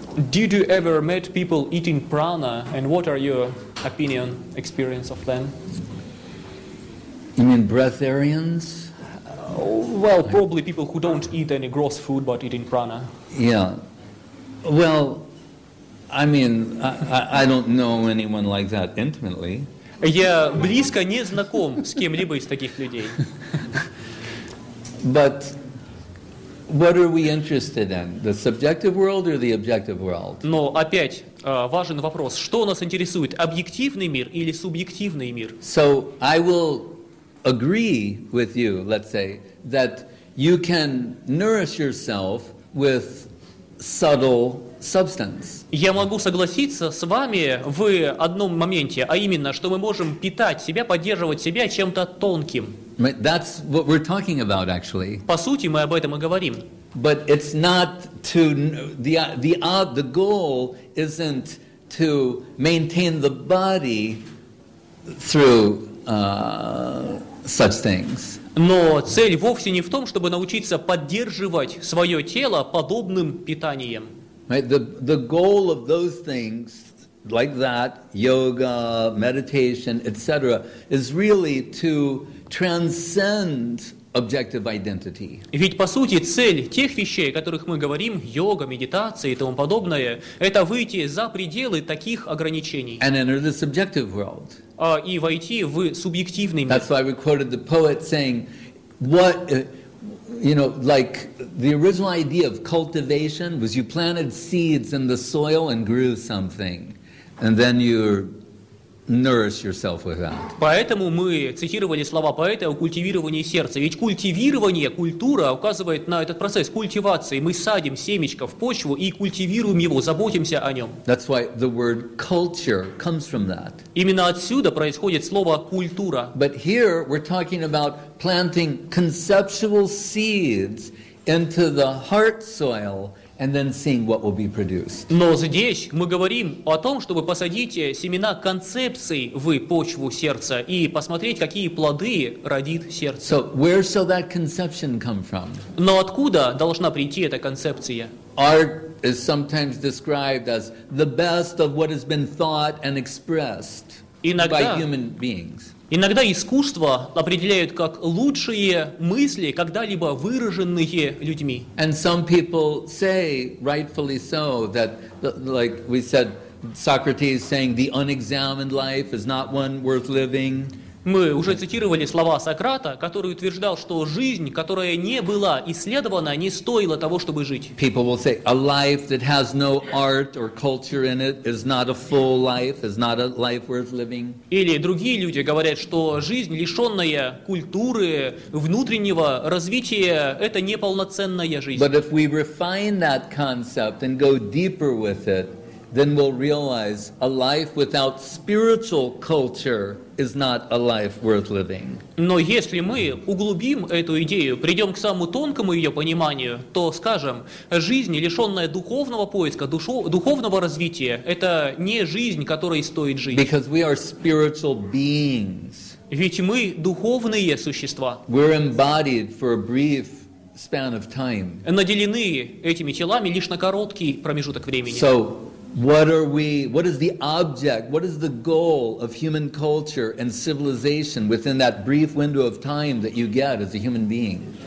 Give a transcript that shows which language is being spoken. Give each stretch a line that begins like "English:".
English: Did you ever met people eating prana, and what are your opinion, experience of them? You mean breatharians? Well, probably people who don't eat any gross food but eating prana. Yeah. Well, I mean, I don't know anyone like that intimately.
Russian: Я близко не знаком с кем-либо из таких людей.
English: But what are we interested in? The subjective world or the objective world?
Russian: Но опять важен вопрос. Что нас интересует? Объективный мир или субъективный мир?
English: So I will agree with you, let's say, that you can nourish yourself with subtle substance.
Russian: Я могу согласиться с вами в одном моменте, а именно, что мы можем питать себя, поддерживать себя чем-то тонким.
English: That's what we're talking about, actually.
Russian: По сути, мы об этом и говорим.
English: But it's not to the goal isn't to maintain the body through such things.
Russian: Но цель вовсе не в том, чтобы научиться поддерживать свое тело подобным питанием.
English: Right, the goal of those things, like that, yoga, meditation, etc., is really to transcend objective identity.
Russian: Ведь по сути цель тех вещей, о которых мы говорим, йога, медитация и тому подобное, это выйти за пределы таких ограничений.
English: And enter the subjective world.
Russian: И войти в субъективный мир.
English: That's why we quoted the poet saying, "What." You know, like the original idea of cultivation was you planted seeds in the soil and grew something, and then you nourish yourself with that.
Russian: Поэтому мы цитировали слова поэта о культивировании сердца. Ведь культивирование, культура указывает на этот процесс культивации. Мы садим семечко в почву и культивируем его, заботимся о нем.
English: That's why the word culture comes from that.
Russian: Именно отсюда происходит слово культура.
English: But here we're talking about planting conceptual seeds into the heart soil and then seeing what will be produced.
Russian: Но здесь мы говорим о том, чтобы посадить семена концепций в почву сердца и посмотреть, какие плоды родит сердце.
English: So where shall that conception come from?
Russian: Но откуда должна прийти эта концепция?
English: Art is sometimes described as the best of what has been thought and expressed by human beings.
Russian: Иногда искусство определяют как лучшие мысли, когда-либо выраженные людьми.
English: And some people say, rightfully so, that, like we said, Socrates saying, the unexamined life is not one worth living.
Russian: Мы уже цитировали слова Сократа, который утверждал, что жизнь, которая не была исследована, не стоила того, чтобы жить.
English: People will say, a life that has no art or culture in it is not a full life, is not a life worth living.
Russian: Или другие люди говорят, что жизнь, лишенная культуры, внутреннего развития, это неполноценная жизнь.
English: But if we refine that concept and go deeper with it, then we'll realize a life without spiritual culture is not a life worth living.
Russian: Но если мы углубим эту идею, придем к самому тонкому ее пониманию, то скажем, жизнь, лишенная духовного поиска, духовного развития, это не жизнь, которой стоит жить.
English: Because we are spiritual beings.
Russian: Ведь мы духовные существа.
English: We're embodied for a brief span of time.
Russian: Наделены этими телами лишь на короткий промежуток времени.
English: So, what are we, what is the object, what is the goal of human culture and civilization within that brief window of time that you get as a human being?